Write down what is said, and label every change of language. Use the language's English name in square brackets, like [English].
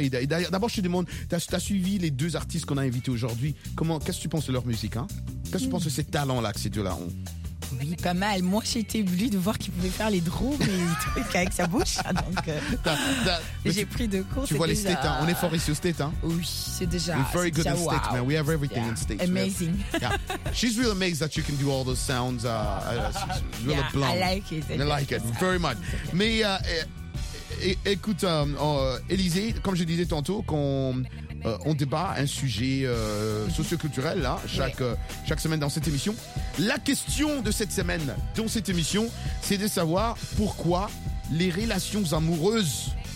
[French] Et d'abord, je te demande, t'as suivi les deux artistes qu'on a invités aujourd'hui. Qu'est-ce que tu penses de leur musique, Qu'est-ce que tu penses de ces talents-là que ces deux-là ont? Oui, pas mal. Moi, j'étais éblouie de voir qu'il pouvait faire les drôles et les trucs avec sa bouche. Donc, j'ai pris de court. Tu vois les states, on est fort ici aux states. Oui, c'est déjà. [English] We're very good in states, man. We have everything in states. Amazing. She's really amazed that you can do all those sounds. She's really blonde. I like it. I like it very much. [French] Mais écoute, Élisée, comme je disais tantôt, on débat un sujet socioculturel là, chaque semaine dans cette émission. La question de cette semaine dans cette émission, c'est de savoir pourquoi les relations amoureuses.